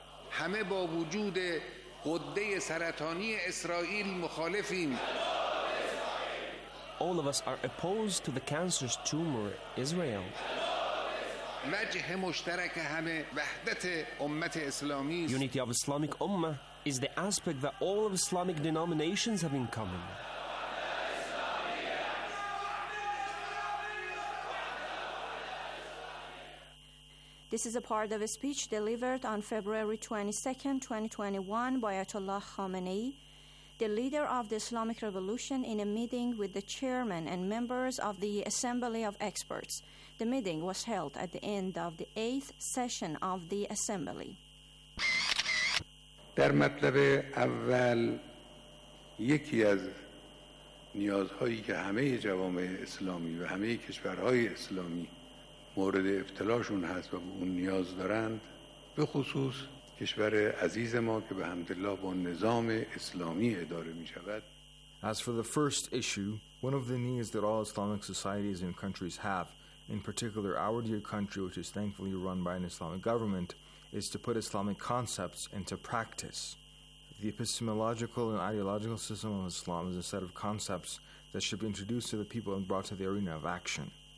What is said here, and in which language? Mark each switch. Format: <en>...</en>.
<fa>همه با وجود غده سرطانی اسرائیل مخالفیم</fa> <en>All of us are opposed to the cancer's tumor, Israel.</en> <fa>وجه مشترک همه وحدت امت اسلامی</fa> <en>Unity of Islamic Ummah is the aspect that all of Islamic denominations have in common. This is a part of a speech delivered on February 22, 2021 by Ayatollah Khamenei, the leader of the Islamic Revolution, in a meeting with the chairman and members of the Assembly of Experts. The meeting was held at the end of the 8th session of the Assembly.</en> <fa>در مطلب اول یکی از نیازهایی که همه جوامع اسلامی و همه کشورهای اسلامی مورد ابتلاشون هست و به اون نیاز دارند به خصوص کشور عزیز ما که به حمدالله با نظام اسلامی اداره می شود</fa> <en>As for the first issue, one of the needs that all Islamic societies and countries have, in particular our dear country which is thankfully run by an Islamic government, is to put Islamic concepts into practice. The epistemological and ideological system of Islam is a set of concepts that should be introduced to the people and brought to the arena of action.</en>